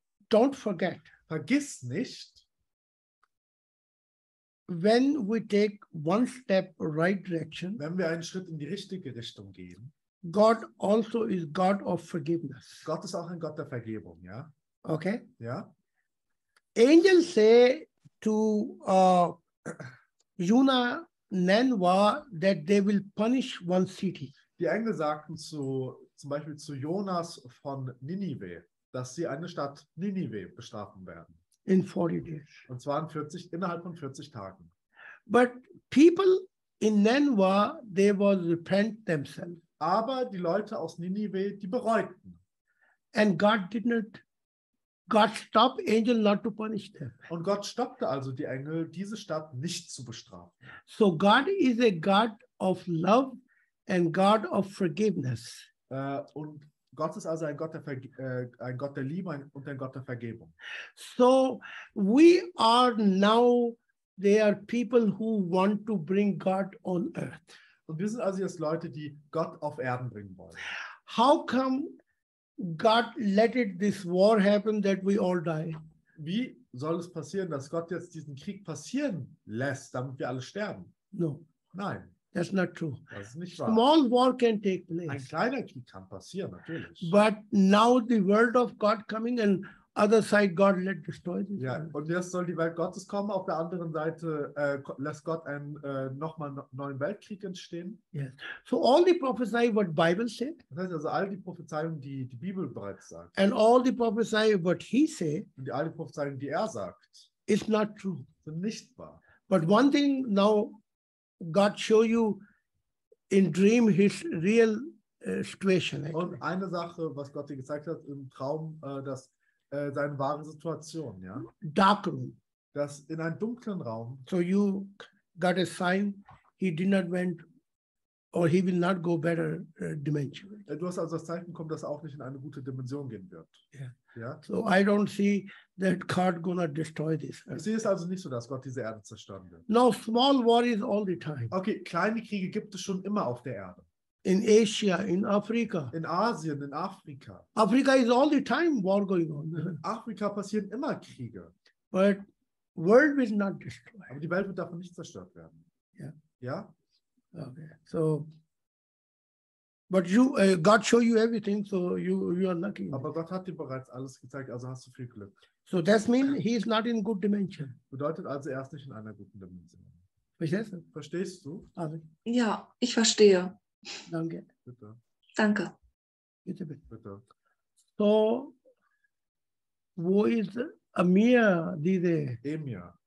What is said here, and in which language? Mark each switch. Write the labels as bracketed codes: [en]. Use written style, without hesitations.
[en] Don't forget. [de] Vergiss nicht. [en] When we take one step right direction. [de] Wenn wir einen Schritt in die richtige Richtung gehen. [en] God also is God of forgiveness. [de] Gott ist auch ein Gott der Vergebung, ja? [en] Okay. [de] Ja. [en] Angels say to Juna Nenwa that they will punish one city. [de] Die Engel sagten zum Beispiel zu Jonas von Ninive, dass sie eine Stadt Ninive bestrafen werden. [en] In 40 days. [de] Und zwar innerhalb von 40 Tagen. [en] But people In Nineveh, they were repent themselves. [de] Aber die Leute aus Ninive, die bereuten. [en] And God didn't. God stopped angel not to punish them. [de] Und Gott stoppte also die Engel, diese Stadt nicht zu bestrafen. [en] So God is a God of love and God of forgiveness. [de] Und Gott ist also ein Gott der Liebe und ein Gott der Vergebung. [en] So we are now. They are people who want to bring God on earth. [de] Und wir sind also jetzt Leute, die Gott auf Erden bringen wollen. [en] How come God let it this war happen that we all die? [de] Wie soll es passieren, dass Gott jetzt diesen Krieg passieren lässt, damit wir alle sterben? [en] No. [de] Nein. [en] That's not true. [de] Das ist nicht wahr. [en] Small war can take place. [de] Ein kleiner Krieg kann passieren, natürlich. [en] But now the word of God coming and other side God let destroy this. [de] Ja, und jetzt soll die Welt Gottes kommen. Auf der anderen Seite lässt Gott einen nochmal neuen Weltkrieg entstehen. [en] Yes. So all the prophecy what Bible said. [de] Das heißt also all die Prophezeiungen, die die Bibel bereits sagt. [en] And all the prophecy what he say. [de] Und die, all die Prophezeiungen, die er sagt. [en] Is not true. [de] Sind nicht wahr. [en] But one thing now God show you in dream his real situation. Actually. [de] Und eine Sache, was Gott dir gezeigt hat im Traum, dass seine wahre Situation, ja. [en] Dark room. [de] Das in einem dunklen Raum. [en] So you got a sign, he did not went, or he will not go better dimension. [de] Du hast also das Zeichen bekommen, dass er auch nicht in eine gute Dimension gehen wird. [en] Yeah. [de] Ja. [en] So I don't see that God gonna destroy this. [de] Ich sehe es also nicht so, dass Gott diese Erde zerstören wird. [en] No, small war is all the time. [de] Okay, kleine Kriege gibt es schon immer auf der Erde. [en] In Asia, in Afrika. [de] In Asien, in Afrika. [en] Africa is all the time war going on. [de] In Afrika passieren immer Kriege. [en] But world will not destroy. [de] Aber die Welt wird davon nicht zerstört werden. Ja. [en] Yeah. [de] Ja. Okay. [en] So, but you, God show you everything, so you are lucky. [de] Aber Gott hat dir bereits alles gezeigt, also hast du viel Glück. [en] So that means he is not in good dimension. [de] Bedeutet also, er ist nicht in einer guten Dimension. Verstehst du? Ja, ich verstehe. Danke. Bitte. Danke. Bitte, bitte. Bitte. So, wo ist Amir, diese? Emir.